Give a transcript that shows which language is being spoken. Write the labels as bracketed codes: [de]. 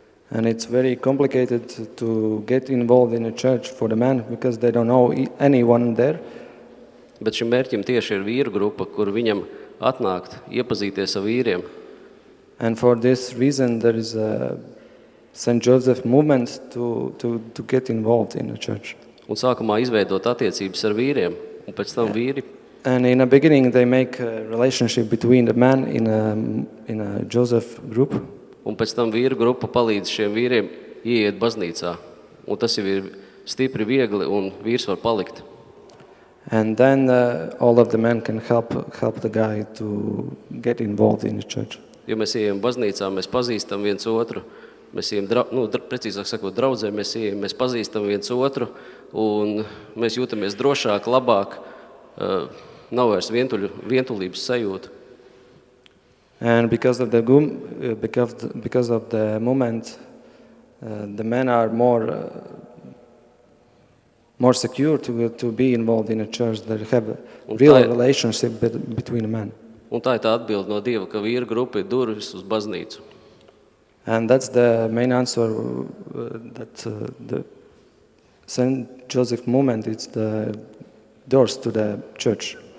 [en] And it's very complicated to get involved in a church for the men because they don't know anyone there. [lv] Bet šim mērķim tieši ir vīru grupa, kur viņam atnākt, iepazīties ar vīriem. [en] And for this reason there is a St. Joseph movement to get involved in the church. [lv] Un sākumā izveidot attiecības ar vīriem, un pēc tam vīri. [en] And in the beginning they make a relationship between the men in a Joseph group. [lv] Un pēc tam vīru grupa palīdz šiem vīriem ieiet baznīcā. Un tas jau ir stipri viegli un vīrs var palikt. [en] And then all of the men can help the guy to get involved in the church. [lv] Jo mēs ejam baznīcā, mēs pazīstam viens otru. Mēs ejam, precīzāk sakot, draudzē, mēs pazīstam viens otru un mēs jūtamies drošāk, labāk, nav vairs vientulības sajūta. [en] And because of the moment the men are more secure to be involved in a church that have real relationship between men. [lv] Un tā ir tā atbilde no Dieva, ka vīra grupa ir durvis uz baznīcu. [en] And that's the main answer that the St. Joseph movement is the doors to the church.